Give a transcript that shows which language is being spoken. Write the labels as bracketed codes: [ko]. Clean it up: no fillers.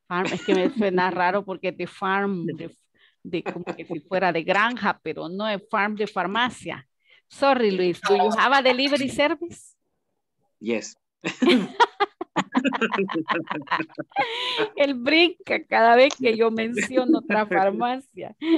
[es] Farm, es que me suena raro porque es de farm, de como que si fuera de granja, pero no es farm de farmacia. [en] Sorry, Luis, do you have a delivery service? Yes. [es] Él brinca cada vez que yo menciono otra farmacia.